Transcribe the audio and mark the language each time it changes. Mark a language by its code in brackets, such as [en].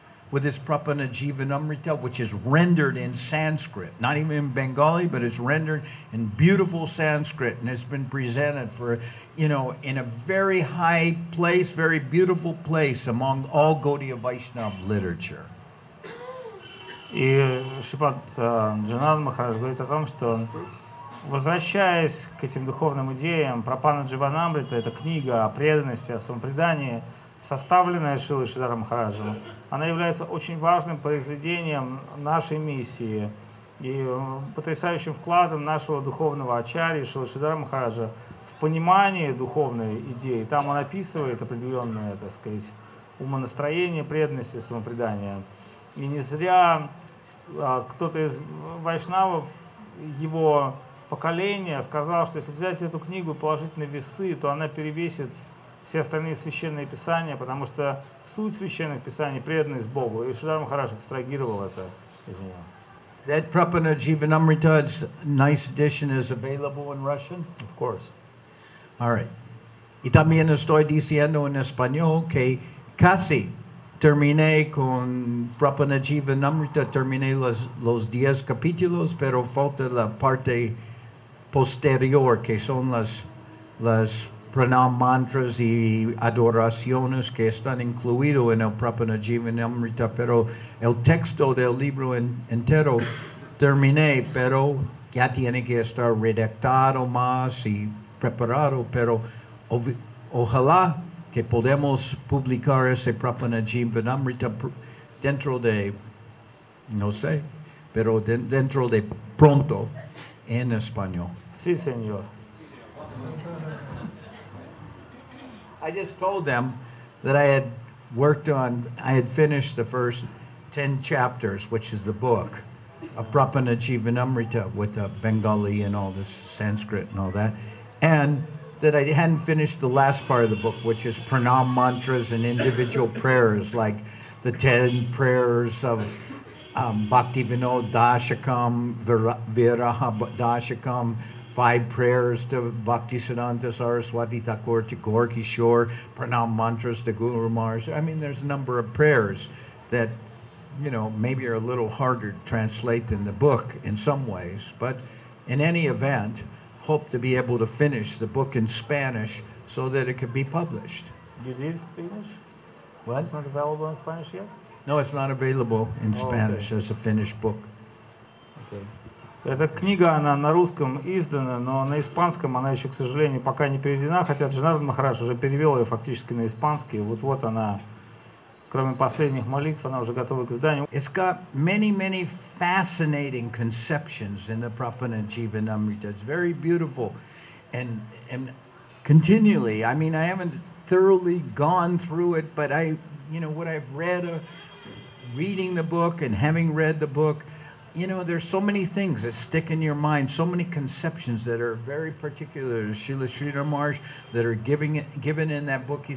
[en] with his Prapanajivanamrita, which is rendered in Sanskrit, not even in Bengali, but it's rendered in beautiful Sanskrit and has been presented for, you know, in a very high place, very beautiful place among all Gaudiya Vaishnava literature. [ru] И Шипат Джанан Махарадж говорит о том, что, возвращаясь к этим духовным идеям, Прапана Дживанамрита, это книга о преданности, о самопредании, составленная Шилой Шридхара Махараджем, она является очень важным произведением нашей миссии и потрясающим вкладом нашего духовного ачарьи Шилы Шридхара Махараджа в понимание духовной идеи. Там он описывает определенное, так сказать, умонастроение, преданности, самопредания. И не зря кто-то из вайшнавов его поколения сказал, что если взять эту книгу и положить на весы, то она перевесит все остальные священные писания, потому что суть священных писаний – преданность Богу. И Шридхара Махарадж экстрагировал это из нее. [en] That Prapana Jivanamrita's nice edition is available in Russian? Of course. All right. [es] Y también estoy diciendo en español que casi terminé con Prapana Jivanamrita, terminé los 10 capítulos, pero falta la parte posterior, que son las pranam mantras y adoraciones que están incluidos en el Prapana Jivanamrita, pero el texto del libro entero terminé, pero ya tiene que estar redactado más y preparado, pero ojalá que podamos publicar ese Prapana Jivanamrita dentro de, no sé, pero dentro de pronto en español. Sí, señor. [en] I just told them that I had worked on, I had finished the first 10 chapters, which is the book, A Prapana Jivanamrita, with the Bengali and all this Sanskrit and all that, and that I hadn't finished the last part of the book, which is pranam mantras and individual prayers, like the 10 prayers of Bhaktivinoda Dashakam, Viraha Dashakam, 5 prayers to Bhaktisiddhanta Saraswati Thakur, to Gaur Kishore, pranam mantras to Guru Maharaj. I mean, there's a number of prayers that, you know, maybe are a little harder to translate than the book in some ways. But in any event, hope to be able to finish the book in Spanish so that it could be published. Did it finish? What? It's not available in Spanish yet? No, it's not available in Spanish as a finished book. Okay. [ru] Эта книга, она на русском издана, но на испанском она еще, к сожалению, пока не переведена, хотя Джанан Махарадж уже перевел ее фактически на испанский. Вот-вот она, кроме последних молитв, она уже готова к изданию. [en] It's got many, many fascinating conceptions in the Prapana Jivanamrita. It's very beautiful. And continually, I mean, I haven't thoroughly gone through it, but I, you know, what I've read, reading the book and having read the book, you know, there's so many things that stick in your mind, so many conceptions that are very particular to Srila Sridhara Maharaj that are given in that book.